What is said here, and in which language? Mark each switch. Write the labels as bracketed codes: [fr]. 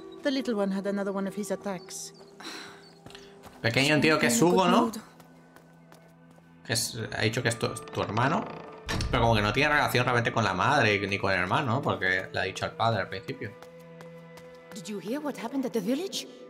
[en] The little one had another one of his attacks. [es] Pequeño tío que subo, ¿no? Es, ha dicho que es tu hermano, pero como que no tiene relación realmente con la madre ni con el hermano, porque le ha dicho al padre al principio. [en] Did you hear what happened at the village?